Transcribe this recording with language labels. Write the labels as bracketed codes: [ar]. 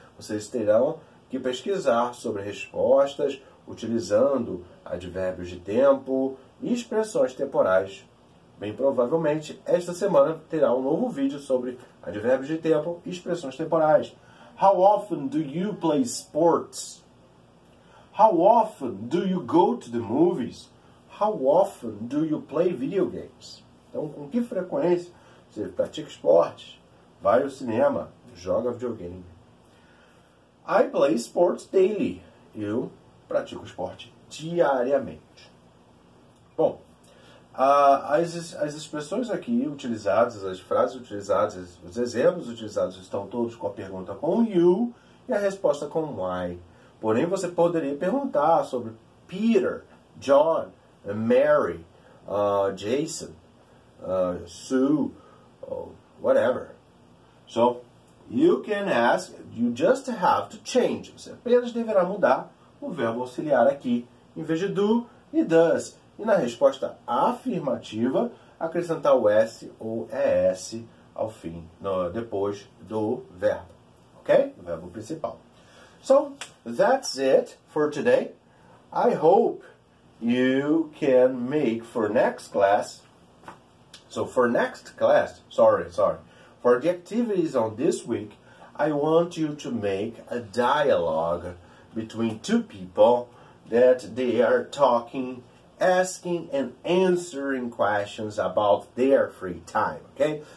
[pt] Vocês terão que pesquisar sobre respostas utilizando advérbios de tempo e expressões temporais. Bem provavelmente, esta semana terá um novo vídeo sobre advérbios de tempo e expressões temporais. [en] How often do you play sports? How often do you go to the movies? How often do you play video games? [pt] Então, com que frequência você pratica esportes? Vai ao cinema, joga videogame. [en] I play sports daily. [pt] Eu pratico esporte diariamente. Bom, as expressões aqui utilizadas, as frases utilizadas, os exemplos utilizados estão todos com a pergunta com you e a resposta com why. Porém, você poderia perguntar sobre Peter, John, Mary, Jason, Sue, whatever. [en] So, you can ask, you just have to change. [pt] Você apenas deverá mudar o verbo auxiliar aqui em vez de do e does. E na resposta afirmativa, acrescentar o S ou ES ao fim, depois do verbo, ok? O verbo principal. [en] So, that's it for today. I hope you can make for next class. So, for next class, sorry. For the activities on this week, I want you to make a dialogue between two people that they are talking, asking and answering questions about their free time, okay?